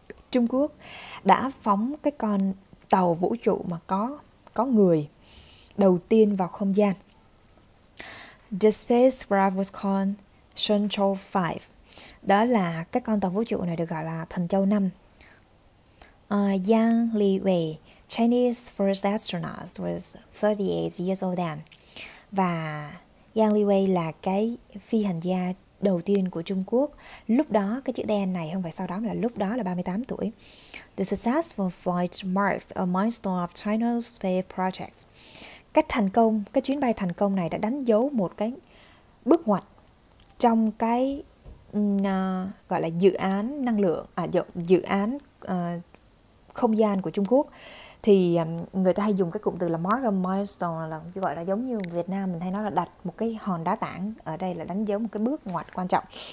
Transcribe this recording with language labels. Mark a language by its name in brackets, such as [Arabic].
[Vietnamese] Trung Quốc đã phóng cái con tàu vũ trụ mà có người đầu tiên vào không gian. [English] The spacecraft was called Shenzhou 5. [Vietnamese] Đó là cái con tàu vũ trụ này được gọi là Thần Châu 5. [English] Yang Liwei, Chinese first astronaut, was 38 years old then. [Vietnamese] Và Yang Liwei là cái phi hành gia đầu tiên của Trung Quốc. Lúc đó, cái chữ đen này không phải sau đó, mà là lúc đó là 38 tuổi. [English] The successful flight marks a milestone of China's space project. [Vietnamese] Cái thành công, cái chuyến bay thành công này đã đánh dấu một cái bước ngoặt trong cái gọi là dự án năng lượng, dự án không gian của Trung Quốc. Thì người ta hay dùng cái cụm từ là [English] mark a milestone, [Vietnamese] là gọi là giống như Việt Nam mình hay nói là đặt một cái hòn đá tảng, ở đây là đánh dấu một cái bước ngoặt quan trọng.